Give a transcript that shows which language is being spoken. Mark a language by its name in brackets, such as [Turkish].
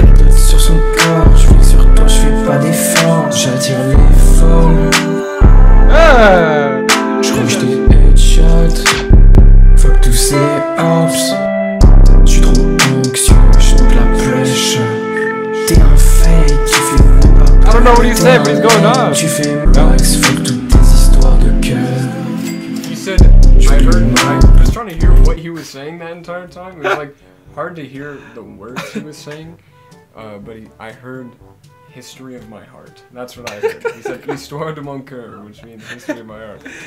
[French] Sur son corps, je vis sur toi, je fais pas d'efforts, j'attire les formes. Je rush des headshots, fuck tous ces ops. J'suis trop anxieux, j'suis de la pêche. T'es un fake, tu fais pas. [English] I don't know what he's saying, but he's going on. [French] Tu fais max, fuck toutes tes histoires de cœur. [English] He said, I was trying to hear what he was saying that entire time. It was like hard to hear the words he was saying. But I heard history of my heart. That's what I heard. He said, [French] histoire de mon coeur, [English] which means history of my heart.